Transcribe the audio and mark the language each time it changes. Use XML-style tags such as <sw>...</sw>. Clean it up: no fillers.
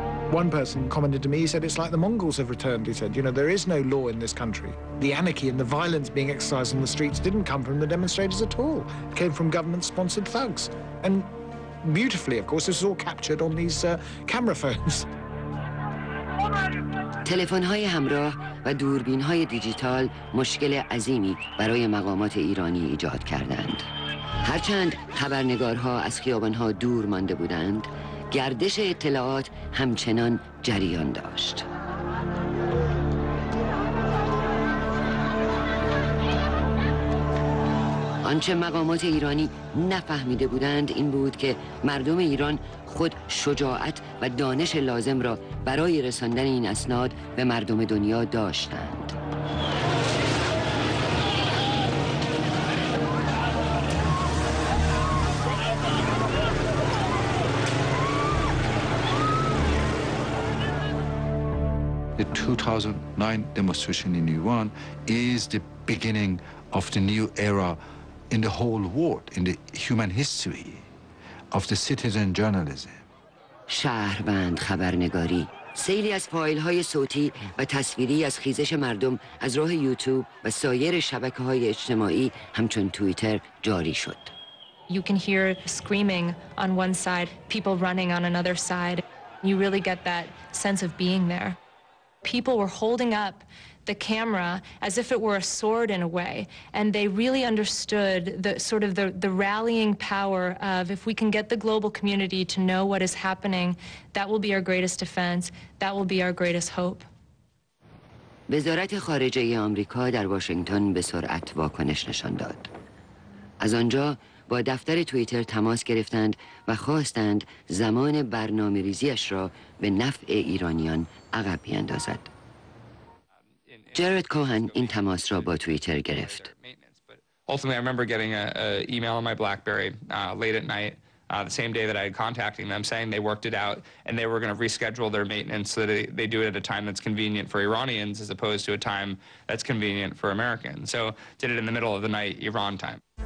<en>One person commented to me, he said, it's like the Mongols have returned, he said. You know, there is no law in this country. The anarchy and the violence being exercised in the streets didn't come from the demonstrators at all. It came from government-sponsored thugs. And beautifully, of course, this is all captured on these camera phones.</en> <fa>تلفن‌های همراه و دوربین‌های دیجیتال مشکل عظیمی برای مقامات ایرانی ایجاد کردند. هرچند خبرنگارها از خیابان‌ها دور مانده بودند، گردش اطلاعات همچنان جریان داشت. آنچه مقامات ایرانی نفهمیده بودند این بود که مردم ایران خود شجاعت و دانش لازم را برای رساندن این اسناد به مردم دنیا داشتند.</fa> <en>The 2009 demonstration in Iran is the beginning of the new era in the whole world, in the human history of the citizen journalism.</en> <fa>شهروند خبرنگاری، سیلی از فایل‌های صوتی و تصویری از خیزش مردم از راه یوتیوب و سایر شبکه‌های اجتماعی همچون توییتر جاری شد.</fa> <en>You can hear screaming on one side, people running on another side. You really get that sense of being there. People were holding up the camera as if it were a sword in a way, and they really understood the sort of the rallying power of, if we can get the global community to know what is happening, that will be our greatest defense, that will be our greatest hope.</en> <fa>وزارت خارجه آمریکا در واشنگتن به سرعت واکنش نشان داد. از آنجا با دفتر توییتر تماس گرفتند و خواستند زمان برنامه‌ریزی‌اش را به نفع ایرانیان عقب بیندازد. جرارد کوهن این تماس را با توییتر گرفت.</fa> <en>Ultimately, I remember getting an email on my BlackBerry late at night, the same day that I had contacting them, saying they worked it out and they were going to reschedule their maintenance so that they do it at a time that's convenient for Iranians as opposed to a time that's convenient for Americans. So did it in the middle of the night, Iran time.</en>